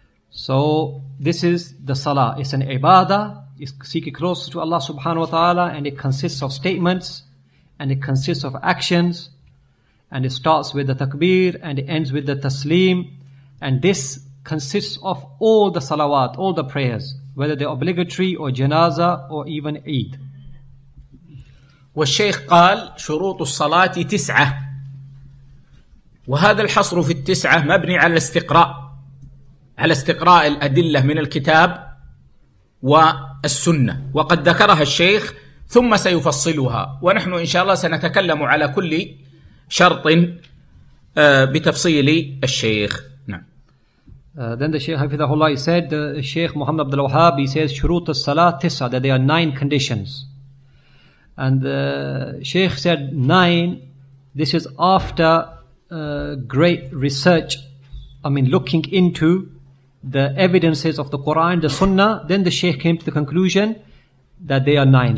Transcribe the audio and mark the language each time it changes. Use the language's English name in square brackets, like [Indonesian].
[English] So this is the salah. It's an ibadah, it's seeking closer to Allah subhanahu wa ta'ala, and it consists of statements and it consists of actions, and it starts with the takbir and it ends with the taslim. And this consists of all the salawat, all the prayers, whether they're obligatory or janaza or even eid. [Arabic] والشيخ قال شروط الصلاة تسعة, وهذا الحصر في التسعة مبني على الاستقراء, على استقراء الأدلة من الكتاب والسنة, وقد ذكرها الشيخ ثم سيفصلها, ونحن إن شاء الله سنتكلم على كل شرط بتفصيل الشيخ. [English] Then the Shaykh Hafidahullah, he said, Shaykh Muhammad Abdul Wahhab, he says, [Arabic] شروط الصلاة تسعة, [English] that there are nine conditions. And the Shaykh said nine, this is after great research, looking into the evidences of the Quran, the Sunnah, then the Shaykh came to the conclusion that they are nine.